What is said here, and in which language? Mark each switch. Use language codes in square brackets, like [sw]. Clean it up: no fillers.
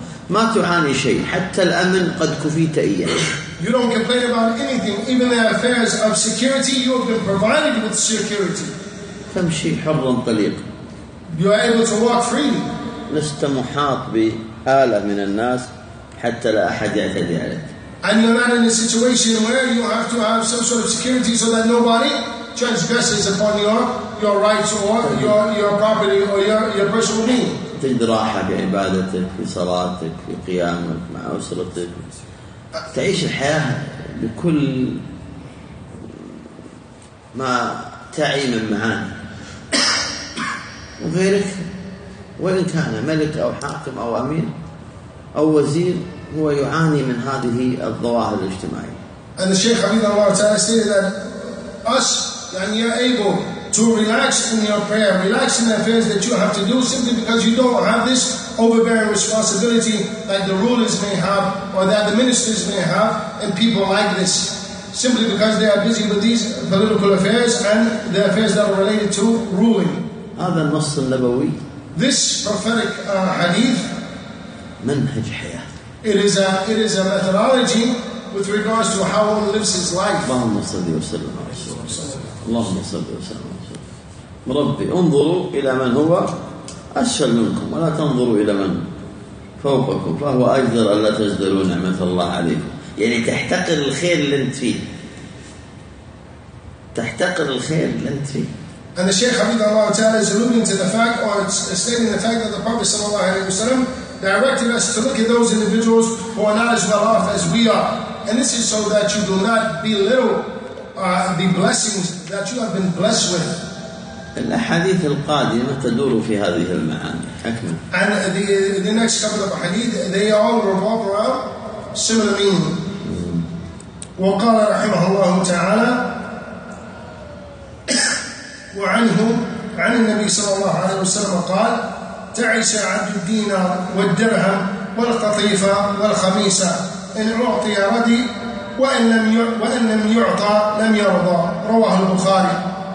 [ar] ما تعاني شيء حتى الأمن قد كفيت إياه. [en] You don't complain about anything, even the affairs of security. You have been provided with security. [ar] تمشي حرا طليقا. [en] You are able to walk freely. [ar] لست محاط بآلة من الناس حتى لا أحد يعتدي عليك. [en] And you're not in a situation where you have to have some sort of security so that nobody transgresses upon your rights or your property or your personal being. [ar] تجد راحة بعبادتك في صلاتك في قيامك مع أسرتك. تعيش الحياة بكل ما تعي من معاني. وغيرك وإن كان ملك أو حاكم أو أمير أو وزير هو يعاني من هذه الظواهر الاجتماعية. [en] And the Sheikh Hafidh Allah Ta'ala said that us, and you're able to relax in your prayer, relax in the affairs that you have to do simply because you don't have this overbearing responsibility that the rulers may have or that the ministers may have and people like this. Simply because they are busy with these political affairs and the affairs that are related to ruling. [ar] هذا النص النبوي. [en] This prophetic hadith. [ar] منهج حياة. [en] It is a methodology with regards to how one lives his life. [ar] اللهم صل وسلم على رسول الله. اللهم صل وسلم على رسول الله. ربي انظروا إلى من هو أسفل منكم ولا تنظروا إلى من فوقكم فهو أجدر ألا تجدروا نعمة الله عليكم. يعني تحتقر الخير اللي أنت فيه. تحتقر الخير اللي أنت فيه. [en] And the Shaykh Hafidh Allah Ta'ala is alluding to the fact or stating the fact that the Prophet Sallallahu Alaihi Wasallam directed us to look at those individuals who are not as well off as we are. And this is so that you do not belittle the blessings that you have been blessed with. [ar] الأحاديث القادمة تدور في هذه المعاني. [en] And the next couple of hadith, they all revolve around similar meaning. [ar] وقال رحمه الله تعالى وعنه عن النبي صلى الله عليه وسلم قال تعس عبد الدينار والدرهم والقطيفة والخميسة إن أعطي ردي وإن لم يعطى لم يرضى رواه البخاري.